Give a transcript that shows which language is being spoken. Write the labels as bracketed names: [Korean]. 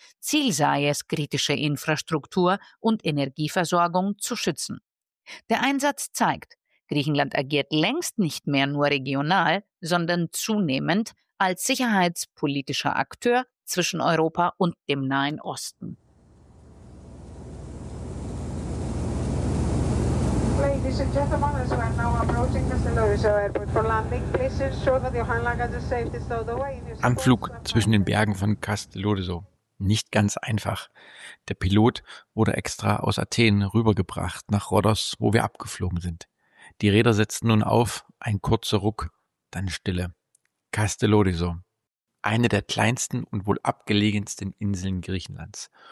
[German] Ziel sei es, kritische Infrastruktur und Energieversorgung zu schützen. Der Einsatz zeigt, Griechenland agiert längst nicht mehr nur regional, sondern zunehmend als sicherheitspolitischer Akteur zwischen Europa und dem Nahen Osten. [English] Ladies and gentlemen, as we are now approaching Kastellorizo Airport for landing, please ensure that your hand luggage is safely stowed away. [German] Anflug zwischen den Bergen von Kastellorizo. Nicht ganz einfach. Der Pilot wurde extra aus Athen rübergebracht nach Rhodos, wo wir abgeflogen sind. Die Räder setzten nun auf, ein kurzer Ruck, dann Stille. Kastellorizo, eine der kleinsten und wohl abgelegensten Inseln Griechenlands.